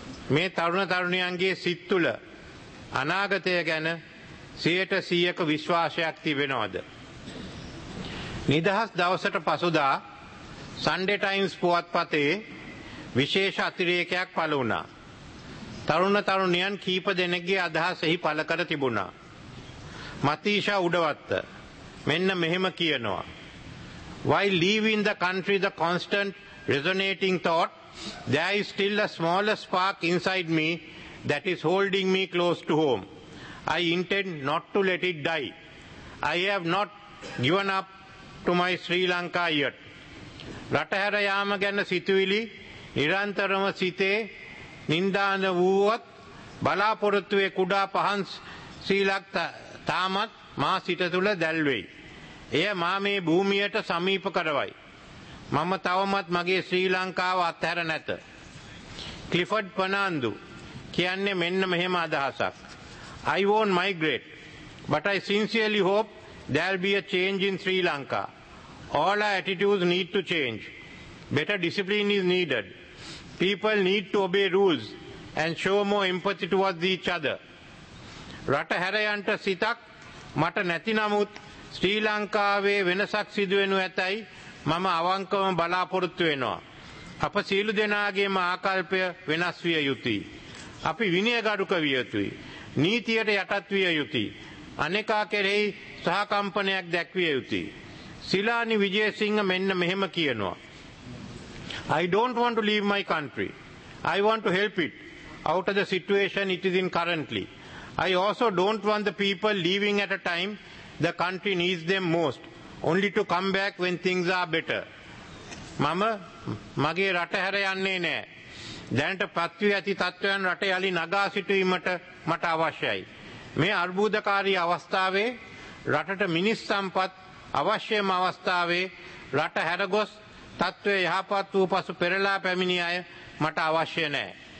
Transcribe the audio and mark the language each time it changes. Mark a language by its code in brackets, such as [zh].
[si] මේ තරුණ තරුණියන්ගේ සිත් තුළ අනාගතය ගැන 100%ක විශ්වාසයක් තිබෙනවද? නිදහස් දවසට පසුදා Sunday Times පුවත්පතේ විශේෂ අතිරේකයක් පළ වුණා. තරුණ තරුණියන් කීප දෙනෙක්ගේ අදහස් එහි පළ කර තිබුණා. මතීෂා උඩවත්ත මෙන්න මෙහෙම කියනවා: [en] While leaving the country, the constant resonating thought, there is still a smaller spark inside me that is holding me close to home. I intend not to let it die. I have not given up to my Sri Lanka yet. [si] රටහැර යාම ගැන සිතුවිලි නිරන්තරම සිතේ නින්දාන වූවත් බලාපොරොත්තුවේ කුඩා පහන් සීලක් තාමත් මා සිත තුළ දැල්වෙයි. එය මා මේ භූමියට සමීප කරවයි. මම තවමත් මගේ ශ්‍රී ලංකාව අත්හැර නැත. ක්ලිෆඩ් පනාන්දු කියන්නේ මෙන්න මෙහෙම අදහසක්: [en] I won't migrate, but I sincerely hope there'll be a change in Sri Lanka. All our attitudes need to change. Better discipline is needed. People need to obey rules and show more empathy towards each other. [si] රටහැරයන්ට සිතක් මට නැති නමුත් ශ්‍රී ලංකාවේ වෙනසක් සිදුවෙනු ඇතයි මම අවංකව බලාපොරොත්තු වෙනවා. අප සීලු දෙනාගේම ආකල්පය වෙනස් විය යුතුයි. අපි විනයගරුක විය යුතුයි. නීතියට යටත් විය යුතුයි. අනෙකා කෙරෙහි සහකම්පනයක් දැක්විය යුතුයි. සිලානි විජේසිංහ මෙන්න මෙහෙම කියනවා: [en] I don't want to leave my country. I want to help it out of the situation it is in currently. I also don't want the people leaving at a time the country needs them most, only to come back when things are better. [si] මම මගේ රට හැර යන්නේ නැහැ. දැනට පත්වී ඇති තත්ත්වයන් රට යලි නගා සිටීමට මට අවශ්‍යයි. මේ අර්බුදකාරී අවස්ථාවේ රටට මිනිස් සම්පත් අවශ්‍යම අවස්ථාවේ රට හැරගොස් තත්ත්වය යහපත් වූ පසු පෙරලා පැමිණි අය මට අවශ්‍ය නැහැ.